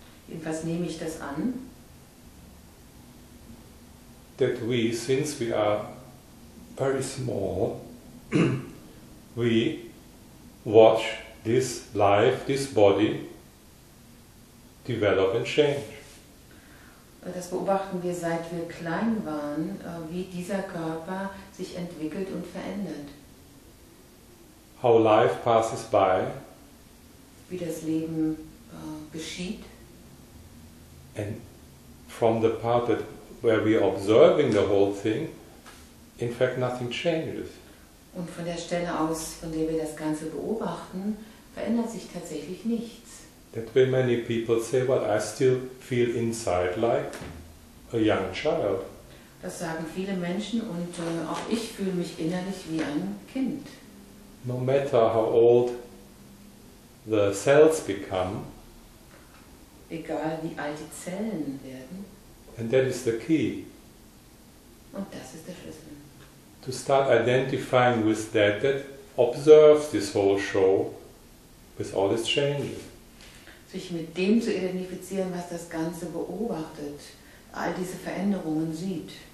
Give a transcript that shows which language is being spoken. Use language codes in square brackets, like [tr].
[de] Jedenfalls nehme ich das an. [en] That we, since we are very small, we watch this life, this body, develop and change. [de] Das beobachten wir, seit wir klein waren, wie dieser Körper sich entwickelt und verändert. [en] How life passes by. [de] Wie das Leben geschieht. [en] And from the part that where we are observing the whole thing, in fact nothing changes. [de] Und von der Stelle aus, von der wir das Ganze beobachten, verändert sich tatsächlich nichts. [en] That way many people say, well, I still feel inside like a young child. [de] Das sagen viele Menschen und auch ich fühle mich innerlich wie ein Kind. [en] No matter how old the cells become. [de] Egal wie alt die Zellen werden. [en] And that is the key. [de] Und das ist der Schlüssel. [en] To start identifying with that observes this whole show. With all its changes. [de] Sich mit dem zu identifizieren, was das Ganze beobachtet, all diese Veränderungen sieht.